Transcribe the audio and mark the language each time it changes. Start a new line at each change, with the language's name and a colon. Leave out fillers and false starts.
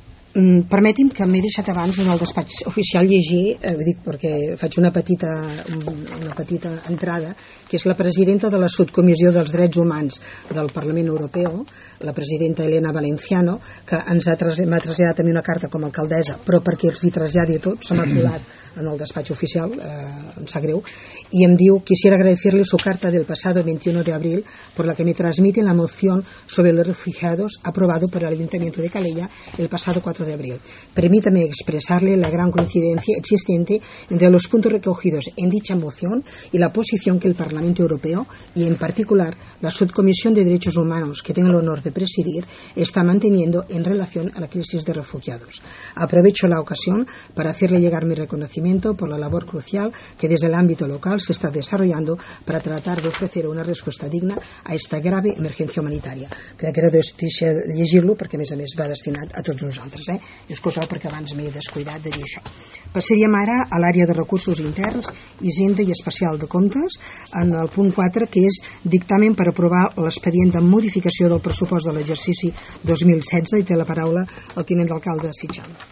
Catalan: Permeti'm que m'he deixat abans en el despatx oficial llegir, ho dic perquè faig una petita entrada, que és la presidenta de la Subcomissió dels Drets Humans del Parlament Europeu, la presidenta Elena Valenciano, que m'ha traslladat a mi una carta com a alcaldessa, però perquè els hi traslladi a tots, se m'ha privat en el despatx oficial, em sap greu, i em diu:
Spanish: quisiera agradecerle su carta del pasado 21 de abril por la que me transmite la moción sobre los refugiados aprobado por el Ayuntamiento de Calella el pasado 4 de abril. Permítame expresarle la gran coincidencia existente entre los puntos recogidos en dicha moción y la posición que el Parlamento Europeo y en particular la Subcomisión de Derechos Humanos, que tengo el honor de presidir, está manteniendo en relación a la crisis de refugiados. Aprovecho la ocasión para hacerle llegar mi reconocimiento por la labor crucial que desde el ámbito local se está desarrollando para tratar de ofrecer una respuesta digna a esta grave emergencia humanitaria.
Catalan: Creo que era de llegir-lo perquè a més va destinat a tots nosaltres. Disculpeu perquè abans m'he descuidat de dir això. Passaríem ara a l'àrea de recursos interns, Hisenda i Especial de Comptes, en el punt 4, que és dictamen per aprovar l'expedient de modificació del pressupost de l'exercici 2016, i té la paraula el tinent d'alcalde Sitjal.